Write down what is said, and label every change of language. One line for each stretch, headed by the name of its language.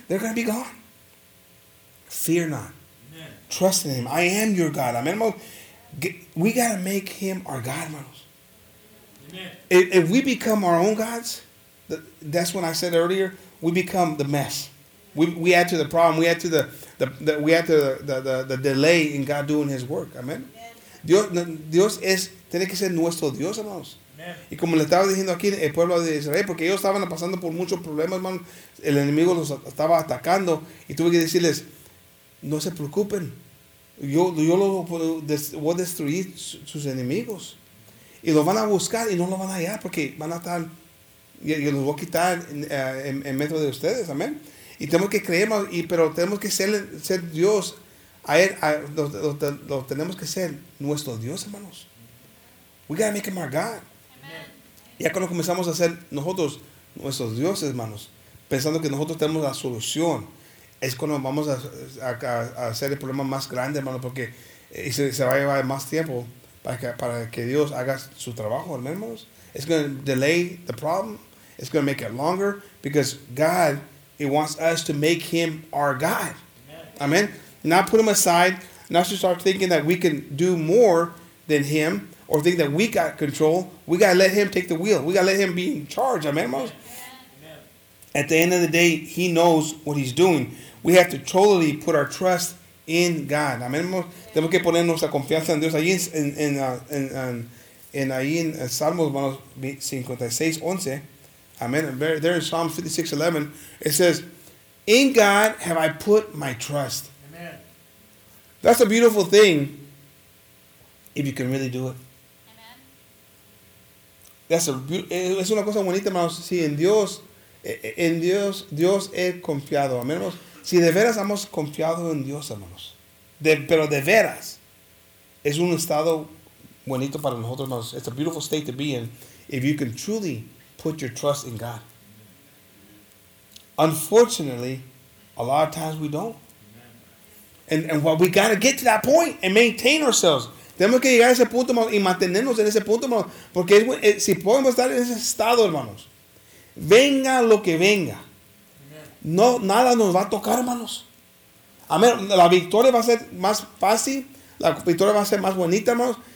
English: They're going to be gone. Fear not. Amen. Trust in Him. I am your God. Amen. We got to make Him our God, hermanos. If we become our own gods, that's what I said earlier, we become the mess. We add to the problem. We add to the delay in God doing His work. Amen.
Spanish: Dios es, tiene que ser nuestro Dios, hermanos. Y como le estaba diciendo aquí, el pueblo de Israel, porque ellos estaban pasando por muchos problemas, hermano, el enemigo los estaba atacando, y tuve que decirles, no se preocupen, yo lo voy a destruir sus enemigos, y los van a buscar, y no los van a hallar, porque van a estar, yo los voy a quitar en medio de ustedes, amén, y tenemos que creer, pero tenemos que ser Dios, a Él, lo tenemos que ser nuestro Dios, hermanos,
English: we gotta make Him our God.
Spanish: Ya cuando comenzamos a hacer nosotros nuestros dioses, hermanos, pensando que nosotros tenemos la solución, es cuando vamos a hacer el problema más grande, hermano, porque se va a llevar más tiempo para que Dios haga su trabajo, hermanos.
English: It's going to delay the problem. It's going to make it longer because God, He wants us to make Him our God. Amen. Amen. Not put Him aside. Not to start thinking that we can do more than Him. Or think that we got control. We got to let Him take the wheel. We got to let Him be in charge. Amen, hermanos? At the end of the day, He knows what He's doing. We have to totally put our trust in God. Amen, hermanos?
Spanish: Tenemos que poner nuestra confianza en Dios. Ahí en ahí en Salmos, hermanos, 56:11.
English: Amen. There in Psalm 56:11, it says, in God have I put my trust. Amen. That's a beautiful thing if you can really do it.
Spanish: Es una cosa bonita, hermanos. Si en Dios, Dios he confiado. Amén, hermanos. Si de veras hemos confiado en Dios, hermanos. Pero de veras, es un estado bonito para nosotros, hermanos.
English: It's a beautiful state to be in if you can truly put your trust in God. Unfortunately, a lot of times we don't. And what we got to get to that point and maintain ourselves.
Spanish: Tenemos que llegar a ese punto, hermanos, y mantenernos en ese punto, hermanos. Porque si podemos estar en ese estado, hermanos, venga lo que venga. No, nada nos va a tocar, hermanos. Amén. La victoria va a ser más fácil. La victoria va a ser más bonita, hermanos.